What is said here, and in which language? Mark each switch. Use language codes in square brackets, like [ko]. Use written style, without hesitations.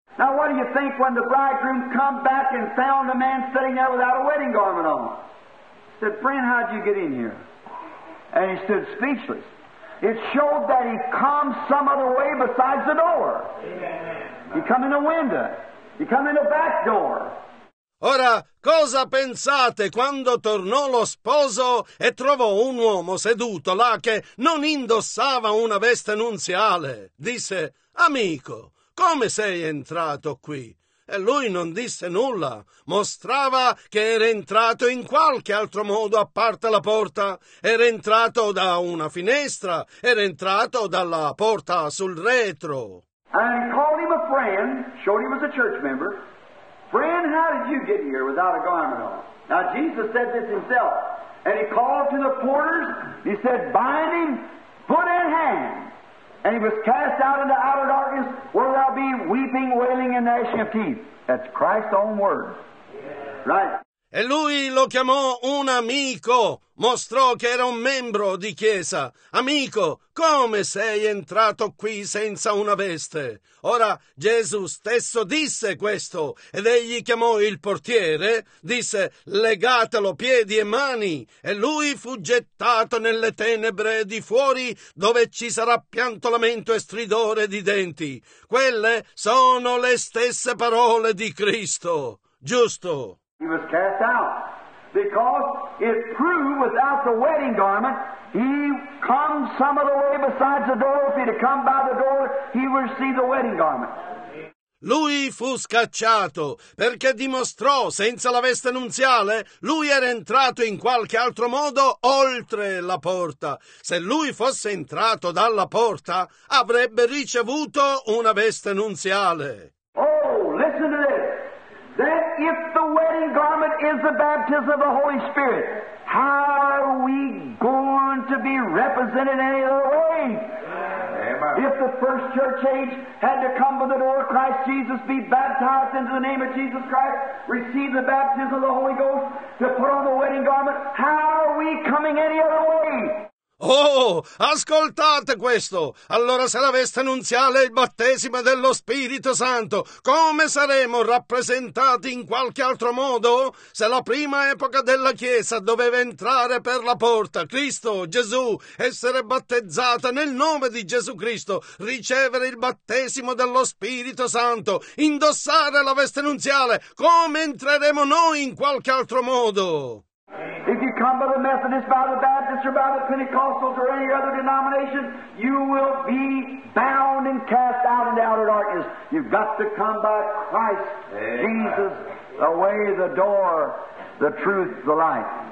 [en] Now, what do you think when the bridegroom come back and found the man sitting there without a wedding garment on? He said, friend, how'd you get in here? And he stood speechless. It showed that he come some other way besides the door. Amen. He come in a window. He come in a back door. [it] Ora, cosa pensate quando tornò lo sposo e trovò un uomo seduto là che non indossava una veste nuziale? Disse, amico, come sei entrato qui? E lui non disse nulla, mostrava che era entrato in qualche altro modo a parte la porta. Era entrato da una finestra, era entrato dalla porta sul retro. [en] And called him a friend, showed him as a church member. Friend, how did you get here without a garment on? Now, Jesus said this himself. And he called to the porters. He said, bind him, put in hand. And he was cast out into outer darkness, where there will be weeping, wailing, and gnashing of teeth. That's Christ's own words. Yeah. Right. [it] E lui lo chiamò un amico, mostrò che era un membro di chiesa. Amico, come sei entrato qui senza una veste? Ora, Gesù stesso disse questo, ed egli chiamò il portiere, disse, legatelo piedi e mani, e lui fu gettato nelle tenebre di fuori, dove ci sarà pianto, lamento e stridore di denti. Quelle sono le stesse parole di Cristo, giusto? [en] He was cast out because it proved without the wedding garment he come some of the way besides the door. If he'd have come by the door, he would receive the wedding garment. [it] Lui fu scacciato perché dimostrò senza la veste nuziale lui era entrato in qualche altro modo oltre la porta. Se lui fosse entrato dalla porta, avrebbe ricevuto una veste nuziale. [en] Oh, listen to this. That if the wedding garment is the baptism of the Holy Spirit, how are we going to be represented any other way? Amen. If the first church age had to come by the door of Christ Jesus, be baptized into the name of Jesus Christ, receive the baptism of the Holy Ghost, to put on the wedding garment, how are we coming any other way? [it] Oh, ascoltate questo! Allora se la veste nunziale è il battesimo dello Spirito Santo, come saremo rappresentati in qualche altro modo? Se la prima epoca della Chiesa doveva entrare per la porta, Cristo, Gesù, essere battezzata nel nome di Gesù Cristo, ricevere il battesimo dello Spirito Santo, indossare la veste nunziale, come entreremo noi in qualche altro modo? [en] If you come by the Methodist, by the Baptist, or by the Pentecostals, or any other denomination, you will be bound and cast out into outer darkness. You've got to come by Christ, amen. Jesus, the way, the door, the truth, the life.